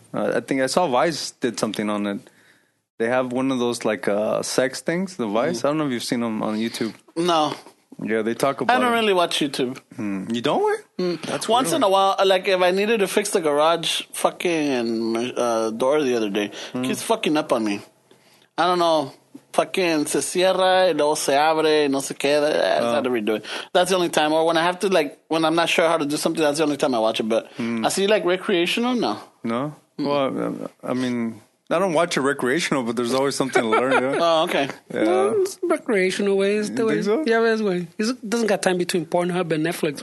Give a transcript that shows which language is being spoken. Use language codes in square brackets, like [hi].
[en] I think I saw Vice did something on it. They have one of those like sex things, the Vice. I don't know if you've seen them on YouTube. No. Yeah, they talk about it. I don't really watch YouTube. Mm. You don't? That's once weird. In a while, like if I needed to fix the garage fucking door the other day, it keeps fucking up on me. I don't know. [es] Fucking se cierra y luego se abre y no se queda. [en] I had to redo it. That's the only time. Or when I have to, like, when I'm not sure how to do something, that's the only time I watch it. But I see, like, recreational? No. No? Well, I mean, I don't watch it recreational, but there's always something to learn. Yeah? Oh, okay. Yeah. No, recreational ways. The way. So? Yeah, ways. Way. It doesn't got time between Pornhub and Netflix.